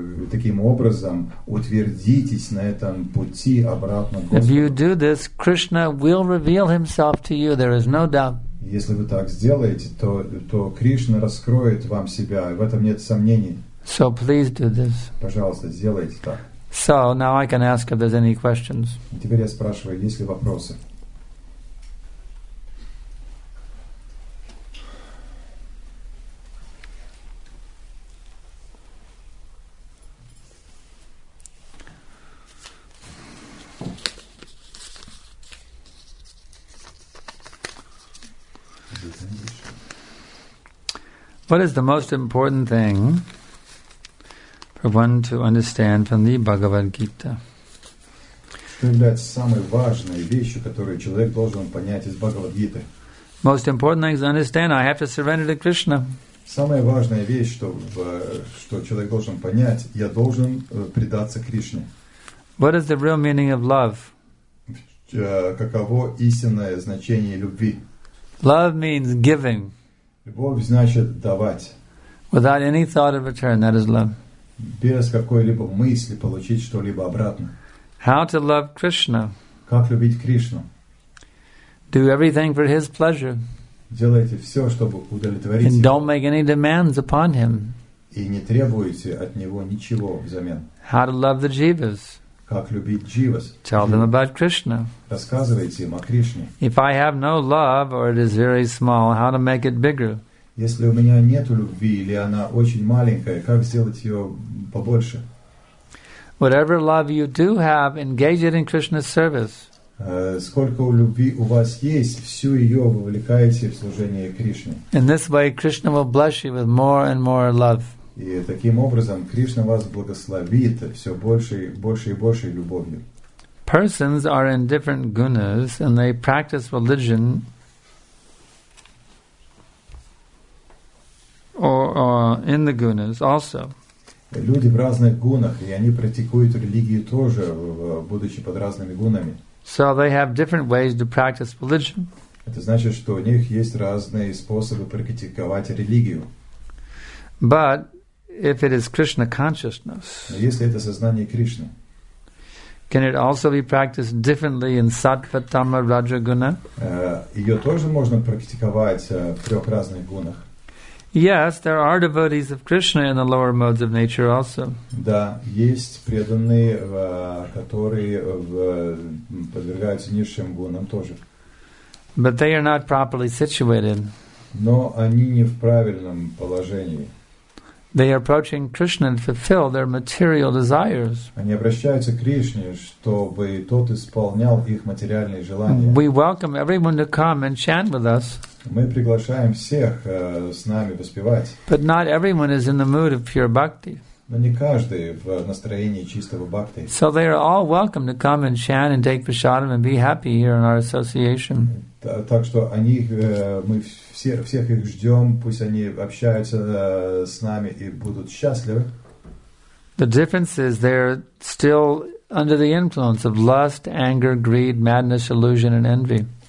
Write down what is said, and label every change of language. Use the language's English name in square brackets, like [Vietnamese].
[Russian] Таким образом утвердитесь на этом пути обратно. [English] If you do this, Krishna will reveal himself to you. There is no doubt. [Russian] Если вы так сделаете, то Кришна раскроет вам себя, и в этом нет сомнений. [English] So please do this. [Russian] Пожалуйста, сделайте так. [English] So now I can ask if there's any questions. [Russian] Теперь я спрашиваю, есть ли вопросы? [English] What is the most important thing one to understand from the Bhagavad Gita? [Russian] Что является самой важной вещью, которую человек должен понять из Бхагавад Гиты? [English] Most important thing to understand, I have to surrender to Krishna. [Russian] Самая важная вещь, что человек должен понять, я должен предаться Кришне. [English] What is the real meaning of love? [Russian] Каково истинное значение любви? [English] Love means giving. [Russian] Любовь значит давать. [English] Without any thought of return, that is love. [Russian] Без какой-либо мысли получить что-либо обратно. [English] How to love Krishna? [Russian] Как любить Кришну? [English] Do everything for his pleasure. [Russian] Делайте все, чтобы удовлетворить [English] And [Russian] его. [English] Don't make any demands upon him. [Russian] И не требуйте от него ничего взамен. [English] How to love the jivas? [Russian] Как любить дживас? [English] Tell them about Krishna. [Russian] Рассказывайте им о Кришне. [English] If I have no love or it is very small, how to make it bigger? [Russian] Если у меня нет любви или она очень маленькая, как сделать ее побольше? [English] Whatever love you do have, engage it in Krishna's service. [Russian] Сколько любви у вас есть, всю ее вовлекаете в служение Кришне. [English] In this way, Krishna will bless you with more and more love. [Russian] И таким образом Кришна вас благословит все больше, больше и больше любовью. [English] Persons are in different gunas and they practice religion. In the gunas also. [Russian] Люди в разных гунах, и они практикуют религию тоже, будучи под разными гунами. [English] So they have different ways to practice religion. [Russian] Это значит, что у них есть разные способы практиковать религию. [English] But if it is Krishna consciousness, [Russian] но если это сознание Кришны, [English] can it also be practiced differently in sattva, tama, raja guna? [Russian] Ее тоже можно практиковать в трех разных гунах. [English] Yes, there are devotees of Krishna in the lower modes of nature also. [Russian] Да, есть преданные, которые подвергаются низшим гунам тоже. [English] But they are not properly situated. [Russian] Но они не в правильном положении. [English] They are approaching Krishna to fulfill their material desires. [Russian] Они обращаются к Кришне, чтобы тот исполнял их материальные желания. [English] We welcome everyone to come and chant with us. [Russian] Мы приглашаем всех с нами воспевать. [English] But not everyone is in the mood of pure bhakti. [Russian] Но не каждый в настроении чистого бхакти. [English] So they are all welcome to come and chant and take prasadam and be happy here in our association. [Russian] Так что они, мы все, всех их ждем, пусть они общаются с нами и будут счастливы. [English] The difference is they're still under the influence of lust, anger, greed, madness, illusion and envy.